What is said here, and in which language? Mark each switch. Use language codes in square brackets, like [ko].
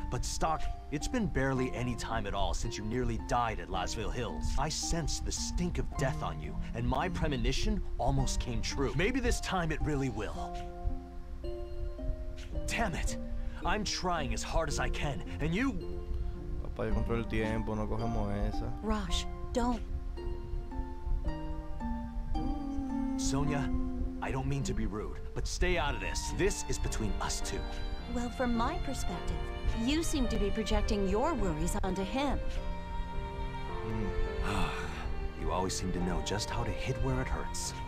[en] But Stock, it's been barely any time at all since you nearly died at Lasville Hills. I sensed the stink of death on you, and my premonition almost came true. Maybe this time it really will. Damn it! I'm trying as hard as I can, and you... [es] Papá, yo controlo el tiempo, no cogemos esa. [en] Rosh, don't. Sonia, I don't mean to be rude, but stay out of this. This is between us two. Well, from my perspective, you seem to be projecting your worries onto him. You always seem to know just how to hit where it hurts.